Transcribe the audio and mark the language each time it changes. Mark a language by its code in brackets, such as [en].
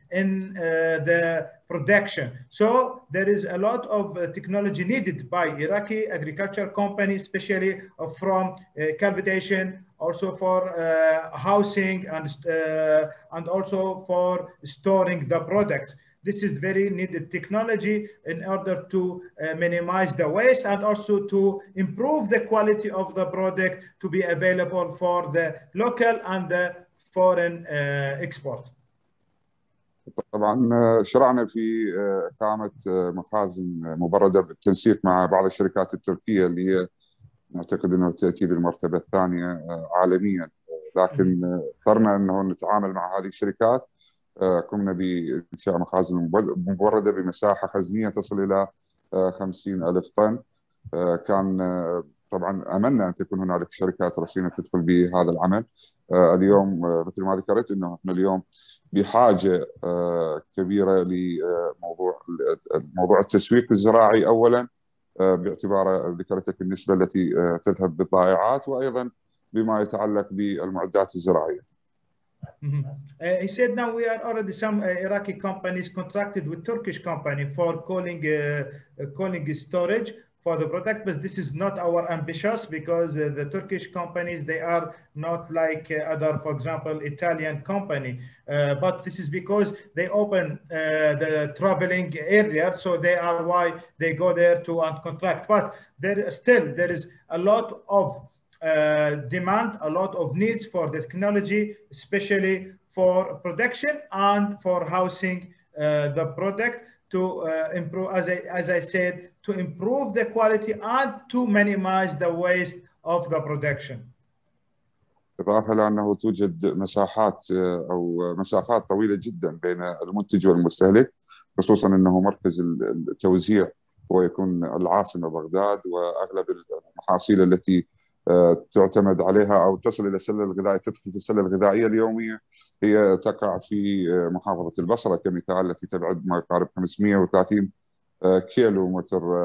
[en] in the production. So there is a lot of technology needed by Iraqi agriculture companies, especially from cultivation, also for housing and also for storing the products. This is very needed technology in order to minimize the waste and also to improve the quality of the product to be available for the local and the foreign export. [ar] طبعا شرعنا في اقامه مخازن مبرده بالتنسيق مع بعض الشركات التركيه اللي هي نعتقد انه تاتي بالمرتبه الثانيه عالميا لكن اضطرنا انه نتعامل مع هذه الشركات قمنا بانشاء مخازن مبرده بمساحه خزنيه تصل الى 50,000 طن كان طبعا املنا ان تكون هنالك شركات رصينه تدخل بهذا العمل اليوم مثل ما ذكرت انه احنا اليوم بحاجه كبيره لموضوع التسويق الزراعي اولا باعتبار ذكرتك النسبه التي تذهب بالضائعات وايضا بما يتعلق بالمعدات الزراعيه. [en] He said now we are already some Iraqi companies contracted with Turkish company for calling storage for the product, but this is not our ambitious because the Turkish companies, they are not like other, for example, Italian company. But this is because they open the traveling area, so they are why they go there to contract. But there is a lot of demand, a lot of needs for the technology, especially for production and for housing the product. To improve, as I said, to improve the quality and to minimize the waste of the production. [ar] إضافة لأنه توجد مسافات أو مسافات طويلة جدا بين المنتج والمستهلك، خصوصا أنه مركز التوزيع هو يكون العاصمة بغداد وأغلب المحاصيل التي تعتمد عليها أو تصل إلى السلة الغذائية تدخل في السلة الغذائية اليومية هي تقع في محافظة البصرة كمثال التي تبعد ما يقارب 530 كيلو متر